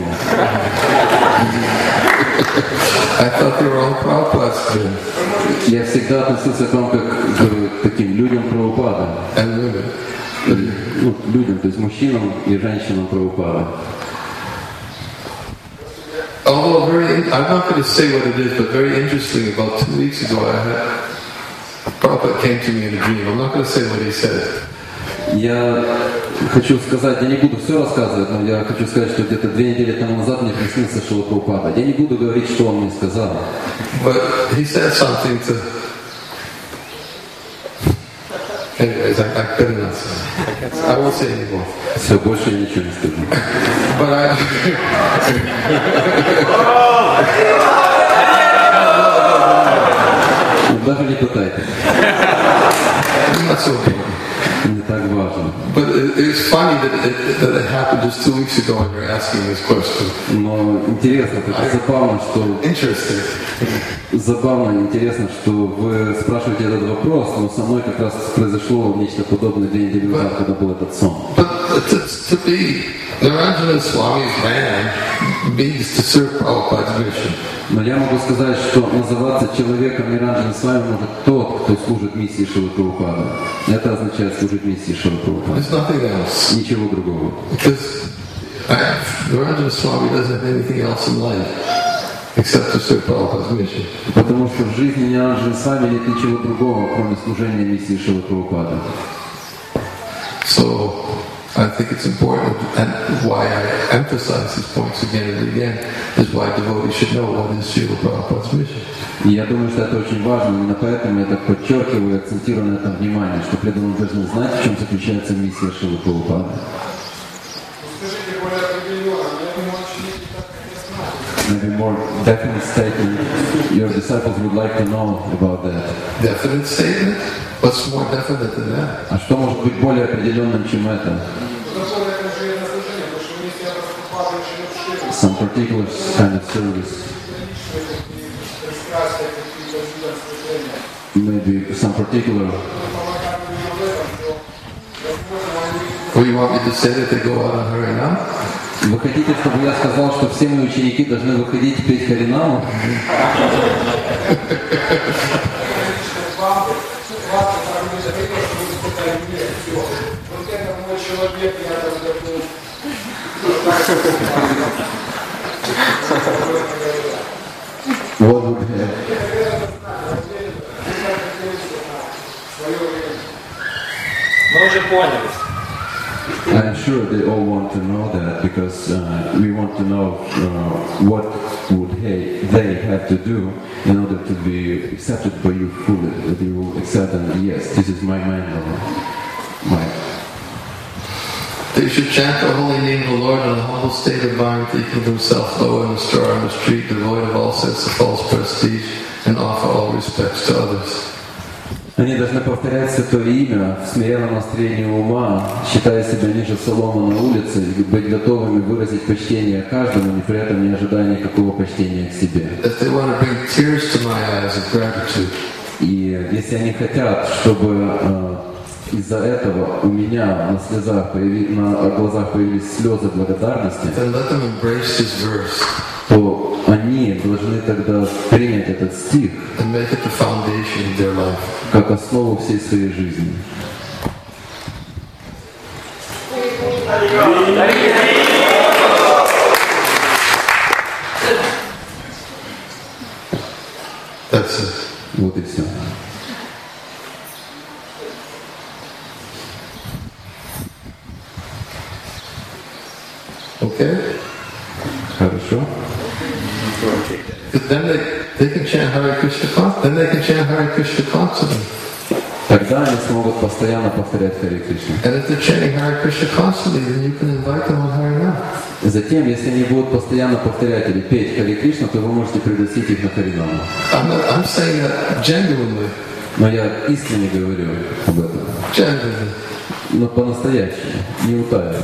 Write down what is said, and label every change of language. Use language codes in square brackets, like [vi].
[en] I thought they were all Prabhupada's men. [ru] Я всегда относился к вам как к таким людям Прабхупада. [en] And women. [ru] Ну, людям, то есть мужчинам и женщинам Прабхупада. [en] Although I'm not going to say what it is, but very interesting, about 2 weeks ago, Prabhupada came to me in a dream. I'm not going to say what he said. [ru] Я хочу сказать, я не буду все рассказывать, но я хочу сказать, что где-то 2 недели тому назад мне приснился Шрила Прабхупада. Я не буду говорить, что он мне сказал. [en] But he said something to... Anyways, I better not say. I won't say anymore. [ru] Все, больше я ничего не скажу. But I... Даже не пытайтесь. [en] That's okay. But it's funny that it happened just 2 weeks ago and you're asking this question. [ru] Но интересно, это забавно, что... [en] Interesting. [ru] Забавно, интересно, что вы спрашиваете этот вопрос, но со мной как раз произошло нечто подобное 2 недели назад, когда был этот сон. [en] But to be Niranjana Swami's man means to serve Prabhupada's mission. [ru] Но я могу сказать, что называться человеком Ниранджана Свами может тот, кто служит миссии Шрилы Прабхупады. Это означает служить миссии Шрилы Прабхупады. [en] It's nothing else. [ru] Ничего другого. [en] Because Niranjana Swami doesn't have anything else in life except to serve Prabhupada's mission. [ru] Потому что в жизни Ниранджана Свами нет ничего другого, кроме служения миссии Шрилы Прабхупады. [en] So I think it's important, and why I emphasize these points again and again, is why devotees should know what is Srila Prabhupada's mission. [ru] Я думаю, что это очень важно, именно поэтому я так подчеркиваю и акцентирую на этом внимание, что преданный должен знать, в чем заключается миссия Шрилы Прабхупады. [en] Maybe more definite statement. Your disciples would like to know about that. Definite statement? What's more definite than that? [ru] А что может быть более определенным, чем это? [en] Some particular kind of service. Maybe some particular. Do you want me to say that they go out on Harinam? [ru] Вы хотите, чтобы я сказал, что все мои ученики должны выходить петь Харинаму? Вот вы где. Мы уже поняли. [en] I'm sure they all want to know that, because we want to know what would they have to do in order to be accepted by you fully, that you will accept them, yes, this is my mind, Lord. They should chant the holy name of the Lord in a humble state of mind, keeping themselves low in a straw on the street, devoid of all sense of false prestige, and offer all respects to others. [ru] Они должны повторять Святое Имя в смиренном настроении ума, считая себя ниже соломы на улице, и быть готовыми выразить почтение каждому, не при этом не ожидая никакого почтения к себе. И если они хотят, чтобы из-за этого у меня на глазах появились слезы благодарности, то они должны тогда принять этот стих [en] and make it the foundation of their life. [ru] Как основу всей своей жизни. [en] That's it. [ru] Вот и все. [en] Okay. [ru] Хорошо. [en] Then they can chant Hare Krishna. Then they can chant Hare Krishna constantly. [ru] Тогда они смогут постоянно повторять Харе Кришна. [en] And if they're chanting Hare Krishna constantly, then you can invite them on Hare Nam. [ru] Затем, если они будут постоянно повторять или петь Харе Кришна, то вы можете пригласить их на Харе Нам. [en] I'm saying that genuinely. [ru] Но я искренне говорю об этом. [en] Genuinely. [ru] Но по-настоящему, не утаивая.